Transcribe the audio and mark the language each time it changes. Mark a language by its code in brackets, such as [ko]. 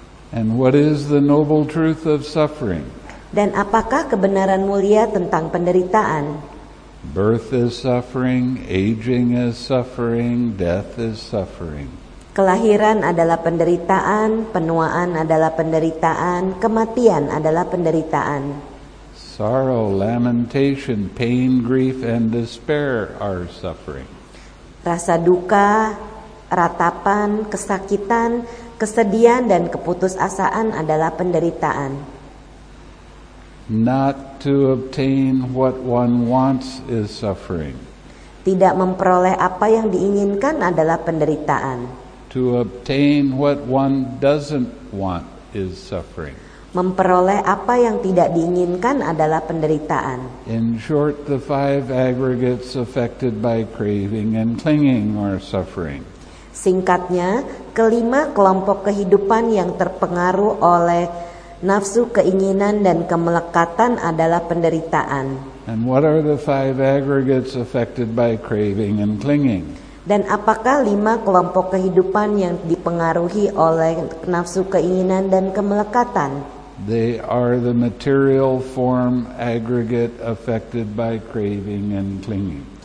[en] And what is the noble truth of suffering? [id] Dan apakah kebenaran mulia tentang penderitaan? [en] Birth is suffering, aging is suffering, death is suffering. [id] Kelahiran adalah penderitaan, penuaan adalah penderitaan, kematian adalah penderitaan. [en] Sorrow, lamentation, pain, grief, and despair are suffering. [id] Rasa duka, ratapan, kesakitan, kesedihan dan keputusasaan adalah penderitaan. [en] Not to obtain what one wants is suffering. [id] Tidak memperoleh apa yang diinginkan adalah penderitaan. [en] To obtain what one doesn't want is suffering. [id] Memperoleh apa yang tidak diinginkan adalah penderitaan. [en] In short, the five aggregates affected by craving and clinging are suffering. [id] Singkatnya, kelima kelompok kehidupan yang terpengaruh oleh nafsu, keinginan, dan kemelekatan adalah penderitaan. [en] And what are the five aggregates affected by craving and clinging? [id] Dan apakah lima kelompok kehidupan yang dipengaruhi oleh nafsu, keinginan, dan kemelekatan? [en] They are the material form aggregate affected by craving and clinging.